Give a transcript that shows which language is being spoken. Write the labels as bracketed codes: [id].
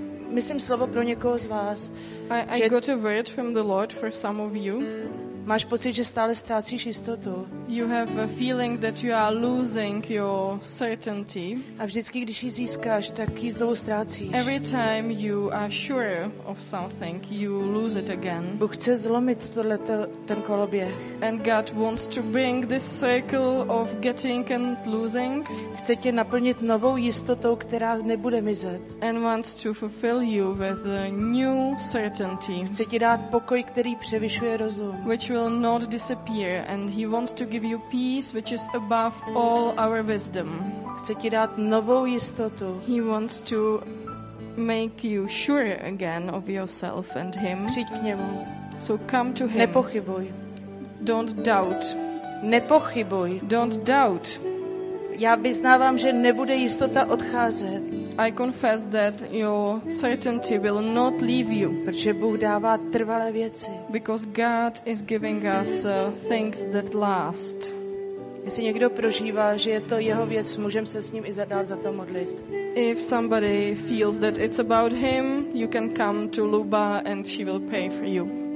[cs] Myslím slovo pro někoho z vás. [en] I got a word from the Lord for some of you. [cs] Máš pocit, že stále ztrácíš jistotu. [en] You have a feeling that you are losing your certainty. [cs] A vždycky, když ji získáš, tak ji znovu ztrácíš. [en] Every time you are sure of something, you lose it again. [cs] Bůh chce zlomit ten koloběh. [en] And God wants to bring this circle of getting and losing. [cs] Chce tě naplnit novou jistotou, která nebude mizet. [en] And wants to fulfill you with a new certainty. [cs] Chce ti dát pokoj, který převyšuje rozum. [en] Which will not disappear, and he wants to give you peace, which is above all our wisdom. [cs] Chce ti dát novou jistotu. [en] He wants to make you sure again of yourself and him. [cs] Přijď k němu. [en] So come to him. [cs] Nepochybuj. [en] Don't doubt. [cs] Nepochybuj. [en] Don't doubt. [cs] Já vyznávám, že nebude jistota odcházet. [en] I confess that your certainty will not leave you. [cs] Protože Bůh dává trvalé věci. [en] Because God is giving us things that last. [cs] Jestli někdo prožívá, že je to jeho věc, můžeme se s ním i dál za to modlit. [en] If somebody feels that it's about him, you can come to Luba and she will pay for you.